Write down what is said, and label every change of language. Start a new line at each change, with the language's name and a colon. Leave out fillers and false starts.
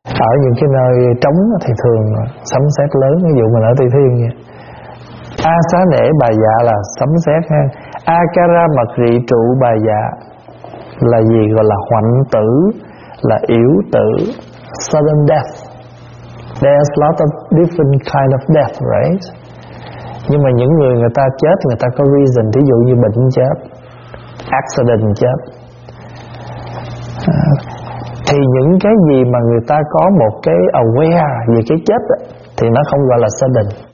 Vietnamese: Ở những cái nơi trống thì thường sấm sét lớn, ví dụ mình ở Tây Thiên vậy. A xà nể bà dạ là sấm sét ha. Akara mật rị trụ bà dạ là gì? Gọi là hoạnh tử, là yếu tử.
English: Sudden death. There's a lot of different kind of death, right?
Vietnamese: Nhưng mà những người người ta chết, người ta có reason. Ví dụ như bệnh chết, accident chết. Thì những cái gì mà người ta có một cái aware về cái chết đó, thì nó không gọi là sudden.